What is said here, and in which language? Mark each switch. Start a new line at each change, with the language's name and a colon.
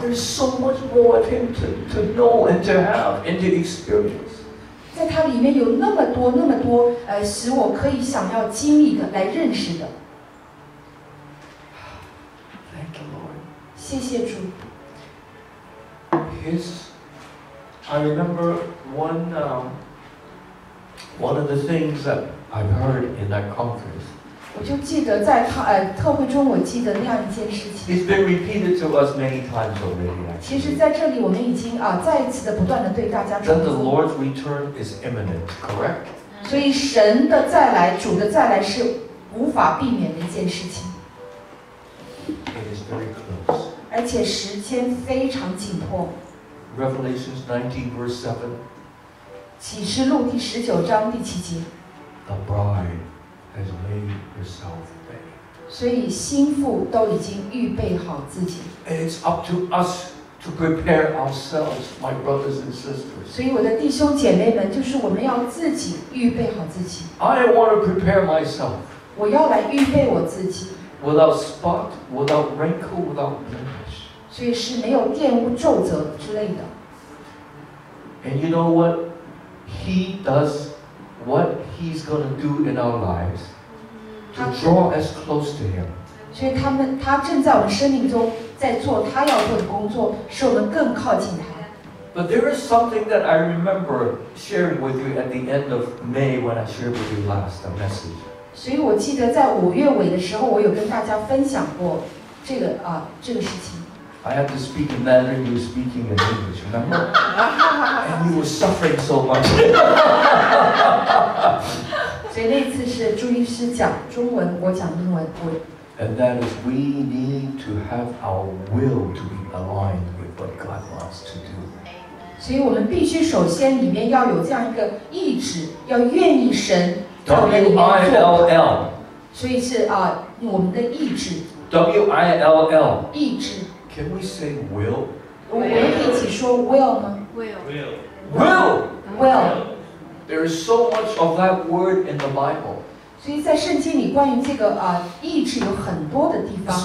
English: There's so much more of him to know and to have and to experience.
Chinese: 在他里面有那么多那么多使我可以想要经历的来认识的。
English: Thank you, Lord.
Chinese: 谢谢主。
English: I remember one of the things that I've heard in that conference.
Chinese: 我就记得在特会中我记得那样一件事情。
English: It's been repeated to us many times already.
Chinese: 其实在这里我们已经再一次的不断的对大家重
English: 复。That the Lord's return is imminent, correct?
Chinese: 所以神的再来，主的再来是无法避免的一件事情。
English: It is very close.
Chinese: 而且时间非常紧迫。
English: Revelation 19 verse 7.
Chinese: 启示录第十九章第七节。
English: The bride has laid herself ready.
Chinese: 所以新妇都已经预备好自己。
English: It's up to us to prepare ourselves, my brothers and sisters.
Chinese: 所以我的弟兄姐妹们，就是我们要自己预备好自己。
English: I want to prepare myself.
Chinese: 我要来预备我自己。
English: Without spot, without wrinkle, without blemish.
Chinese: 所以是没有玷污、皱褶之类的。
English: And you know what? He does what he's going to do in our lives to draw us close to him.
Chinese: 所以他正在我们生命中在做他要做的工作，使我们更靠近他。
English: But there is something that I remember sharing with you at the end of May when I shared with you last the message.
Chinese: 所以我记得在五月尾的时候，我有跟大家分享过这个事情。
English: I had to speak in Mandarin, you were speaking in English, remember? And you were suffering so much.
Chinese: 所以那次是朱医师讲中文，我讲英文。
English: And that is, we need to have our will to be aligned with what God wants to do.
Chinese: 所以我们必须首先里面要有这样一个意志，要愿意神在我们里面做。W-I-L-L. 所以是我们的意志。
English: W-I-L-L.
Chinese: 意志。
English: Can we say will?
Chinese: 我们可以一起说 will 吗
English: ？Will. Will. Will. There is so much of that word in the Bible.
Chinese: 所以在圣经里关于这个意志有很多的地方。